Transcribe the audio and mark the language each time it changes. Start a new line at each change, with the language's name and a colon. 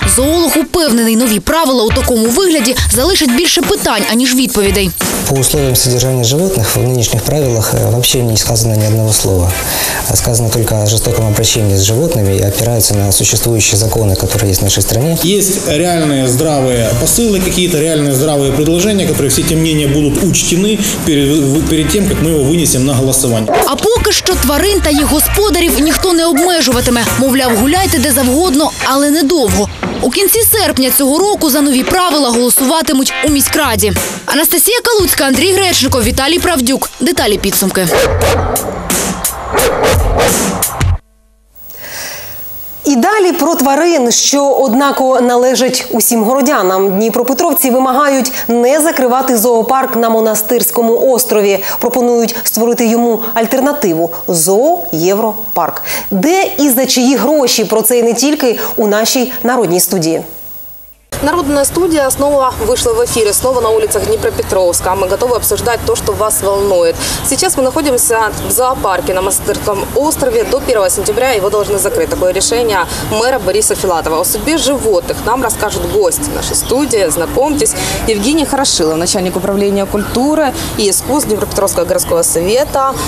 Ukrainian: Зоолог упевнений, нові правила у такому вигляді залишать більше питань, аніж відповідей.
Russian: По условиям содержания животных в нынешних правилах вообще не сказано ни одного слова. Сказано только о жестоком обращении с животными и опираются на существующие законы, которые есть в нашей стране. Есть реальные здравые посылы, какие-то реальные здравые предложения, которые все эти мнения будут учтены перед тем, как мы его вынесем на голосование.
Ukrainian: А поки що тварин та їх господарів ніхто не обмежуватиме. Мовляв, гуляйте де завгодно, але недовго. У кінці серпня цього року за нові правила голосуватимуть у міськраді. Анастасія Калуцька, Андрій Гречников, Віталій Правдюк. Деталі підсумки. І далі про тварин, що однаково належать усім городянам. Дніпропетровці вимагають не закривати зоопарк на Монастирському острові. Пропонують створити йому альтернативу – зоо-європарк. Де і за чиї гроші? Про це і не тільки у нашій народній студії.
Russian: Народная студия снова вышла в эфире, снова на улицах Днепропетровска. Мы готовы обсуждать то, что вас волнует. Сейчас мы находимся в зоопарке на Монастырском острове. До 1 сентября его должны закрыть. Такое решение мэра Бориса Филатова. О судьбе животных нам расскажут гости нашей студии. Знакомьтесь, Евгений Хорошилов, начальник управления культуры и искусств Днепропетровского городского совета.